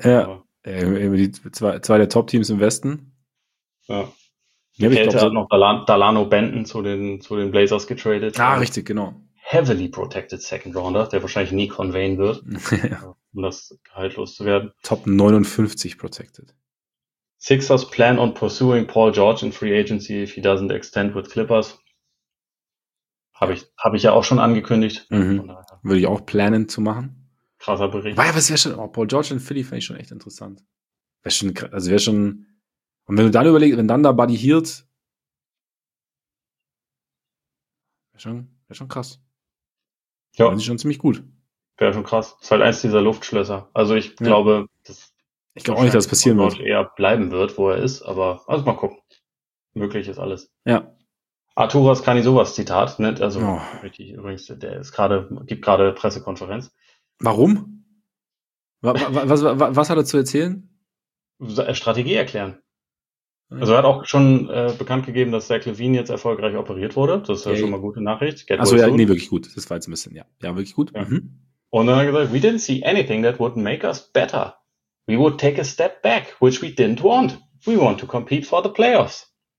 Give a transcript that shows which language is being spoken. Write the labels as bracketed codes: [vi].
[de] Ja, aber die zwei der Top-Teams im Westen. Ja. Die Kälte hat noch Dalano Benton zu den Blazers getradet. Ah, richtig, genau. [en] Heavily protected second rounder, [de] der wahrscheinlich nie conveyen wird, um das Gehalt loszuwerden. [en] Top 59 protected. Sixers plan on pursuing Paul George in free agency if he doesn't extend with Clippers. [de] Habe ich ja auch schon angekündigt. Mhm. Würde ich auch planen zu machen. krasser Bericht. Aber es wäre schon, oh, Paul George in Philly fände ich schon echt interessant. Wäre schon, also wäre schon, und wenn du dann überlegst, wenn dann da Buddy Hield, wäre schon krass. Ja. Wäre schon ziemlich gut. Wäre schon krass. Ist halt eins dieser Luftschlösser. Also ich glaube, dass. Ich glaube auch nicht, dass es passieren wird. Eher bleiben wird, wo er ist, aber, also mal gucken. Möglich ist alles. Ja. Arturas Kanisovas Zitat, ne? Also, richtig, übrigens, der ist gerade, gibt gerade Pressekonferenz. Warum? Was hat er zu erzählen? Strategie erklären. Also, er hat auch schon bekannt gegeben, dass Zach LaVine jetzt erfolgreich operiert wurde. Das ist ja schon mal gute Nachricht. Also ja, nee, wirklich gut. Das war jetzt ein bisschen, ja. Ja, wirklich gut. Ja. Mhm. Und dann hat er gesagt, [en] we didn't see anything that would make us better. We would take a step back, which we didn't want. We want to compete for the playoffs.